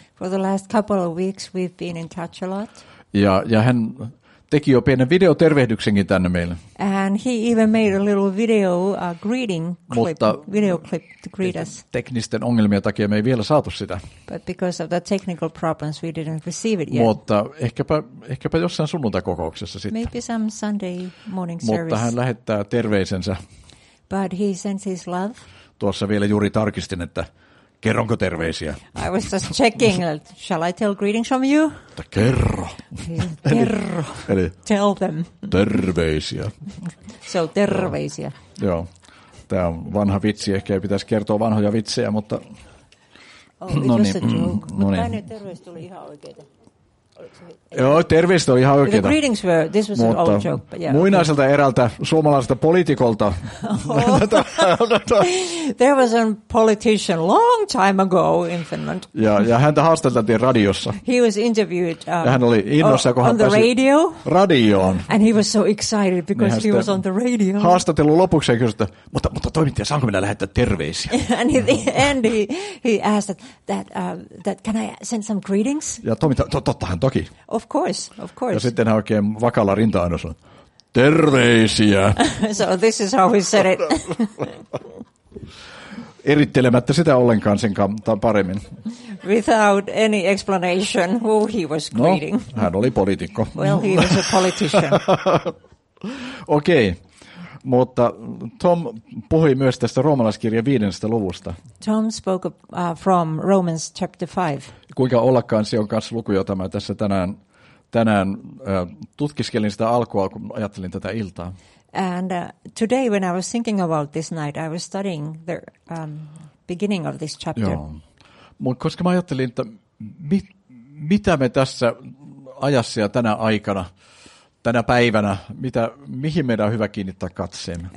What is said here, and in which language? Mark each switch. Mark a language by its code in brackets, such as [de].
[en] For the last couple of weeks we've been in touch a lot. [fi] Ja hän teki jo pienen videotervehdyksenkin tänne meille. [en] And he even made a little video greeting clip. [fi] Mutta [en] video clip to greet us. [fi] Teknisten ongelmien takia me ei vielä saatu sitä. [en] But because of the technical problems we didn't receive it yet. [fi] Mutta ehkäpä jossain sunnuntakokouksessa sitten. [en] Maybe some Sunday morning service. [fi] Mutta hän lähettää terveisensä. [en] But he sends his love. [fi] Tuossa vielä juuri tarkistin, että kerronko terveisiä? [en] I was just checking, shall I tell greetings from you? [fi] Kerro. Kerro. Eli [en] tell them. [fi] Terveisiä. So terveisiä. Joo. Tämä on vanha vitsi, ehkä ei pitäisi kertoa vanhoja vitsejä, mutta [en] oh, it was a joke. [fi] Mutta tänne terveys tuli ihan oikeita. Joo, terveistä on ihan oikeaa. [en] The greetings were, this was [fi] mutta [en] an old joke. But yeah, [fi] muinaiselta eräältä suomalaiselta poliitikolta. [en] There was a politician long time ago in Finland. [fi] Ja häntä haastateltiin radiossa. [en] He was interviewed on the radio. [fi] Radioon. [en] And he was so excited because he was on the radio. [fi] Haastattelun lopuksi hän kysyi, mutta toimittaja, saanko minä lähettää terveisiä? [en] And at the end he asked that can I send some greetings? [fi] Ja toimittaja, tottahan toki. [en] Of course, of course. [fi] Ja sitten hän oikein vakalla rinta-aino sanoi, terveisiä. [en] So this is how we said it. [fi] Erittelemättä sitä ollenkaan sen paremmin. [en] Without any explanation who he was greeting. [fi] No, hän oli poliitikko. [en] Well, he was a politician. [fi] Okei. Mutta Tom puhui myös tästä roomalaiskirjan 5. luvusta. [en] Tom spoke from Romans chapter 5. [fi] Kuinka ollakaan, se on kanssa luku, jota mä tässä tänään tutkiskelin sitä alkua, kun ajattelin tätä iltaa. [en] And today when I was thinking about this night, I was studying the beginning of this chapter. [fi] Joo. Mutta koska mä ajattelin, että mitä me tässä ajassa ja tänä aikana, tänä päivänä, mihin meidän on hyvä kiinnittää katseemme.